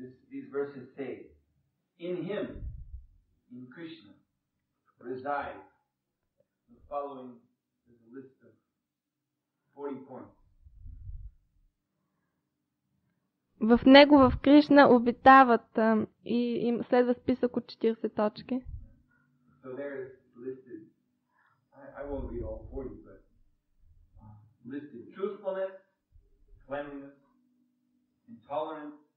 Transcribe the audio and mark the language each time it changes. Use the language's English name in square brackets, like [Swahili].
[English] These verses say, in him, in Krishna, reside the following is a list of 40 points. [Bulgarian] В него, в Кришна, обитават и им следва списък от 40 точки. [English] So there is listed, I won't read all 40, but listed truthfulness, cleanliness, intolerance,